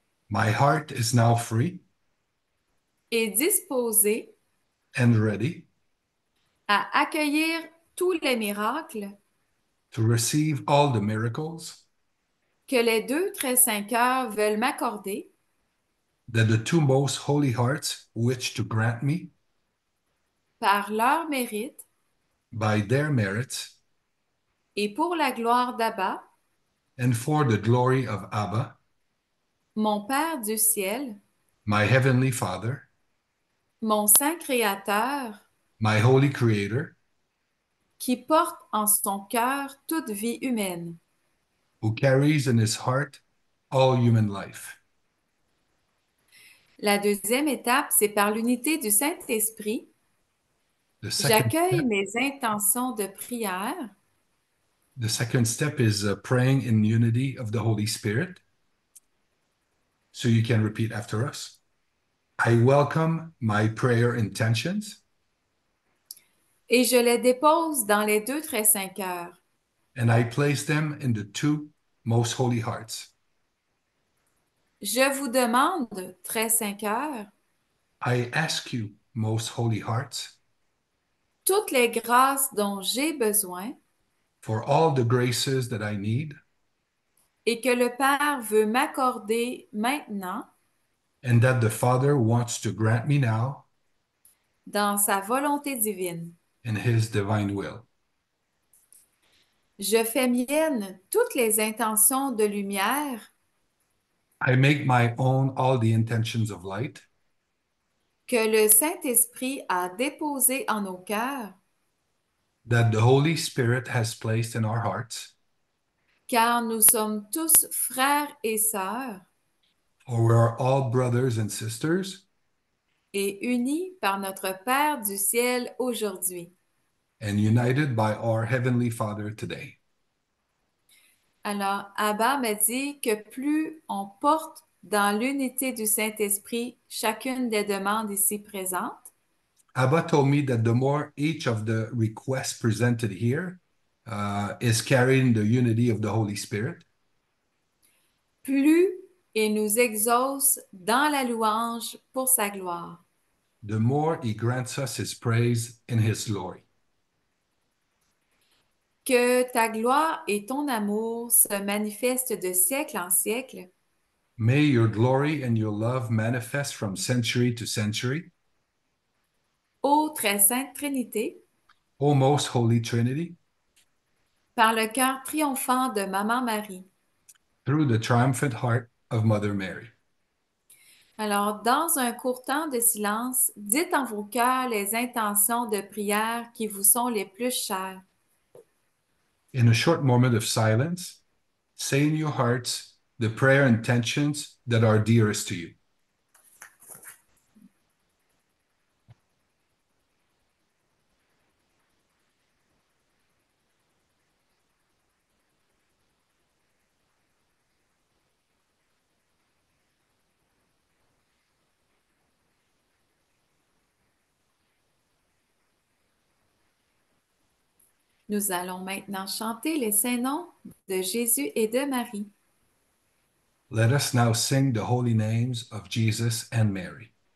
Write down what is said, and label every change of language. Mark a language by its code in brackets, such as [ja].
[en] My heart is now free. [fr] Et disposé. [en] And ready. [fr] À accueillir tous les miracles. [en] To receive all the miracles. [fr] Que les deux très saints cœurs veulent m'accorder. [en] That the two most holy hearts wish to grant me. [fr] Par leur mérite. [en] By their merits. [fr] Et pour la gloire d'Abba. [en] And for the glory of Abba, [fr] mon Père du ciel, [en] my Heavenly Father, [fr] mon Saint Créateur, [en] my Holy Creator, [fr] qui porte en son cœur toute vie humaine, [en] who carries in his heart all human life. [fr] La deuxième étape, c'est par l'unité du Saint-Esprit. [en] The second [fr] J'accueille [en] step. [fr] mes intentions de prière. [en] The second step is praying in unity of the Holy Spirit. So you can repeat after us. I welcome my prayer intentions. [fr] Et je les dépose dans les deux très saints cœurs. [en] And I place them in the two most holy hearts. [fr] Je vous demande, très saints cœurs, [en] I ask you, most holy hearts, [fr] toutes les grâces dont j'ai besoin [en] for all the graces that I need, [fr] et que le Père veut m'accorder maintenant [en] and that the Father wants to grant me now [fr] dans sa volonté divine. [en] in His divine will. [fr] Je fais mienne toutes les intentions de lumière [en] I make my own all the intentions of light. [fr] que le Saint-Esprit a déposées en nos cœurs, [en] That the Holy Spirit has placed in our hearts. [fr] car nous sommes tous frères et sœurs [en] For we are all brothers and sisters. [fr] et unis par notre Père du ciel aujourd'hui. [en] And united by our Heavenly Father today. [fr] Alors, Abba m'a dit que plus on porte dans l'unité du Saint-Esprit chacune des demandes ici présentes, [en] Abba told me that the more each of the requests presented here is carrying the unity of the Holy Spirit, [fr] plus il nous exauce dans la louange pour sa gloire. [en] the more he grants us his praise in his glory. [fr] Que ta gloire et ton amour se manifestent de siècle en siècle. [en] May your glory and your love manifest from century to century. [fr] Ô très sainte Trinité, [en] O most holy Trinity, [fr] par le cœur triomphant de Maman Marie. [en] through the triumphant heart of Mother Mary. [fr] Alors, dans un court temps de silence, dites en vos cœurs les intentions de prière qui vous sont les plus chères. [en] In a short moment of silence, say in your hearts the prayer intentions that are dearest to you. [fr] Nous allons maintenant chanter les saints noms de Jésus et de Marie. [en] Let us now sing the holy names of Jesus and Mary.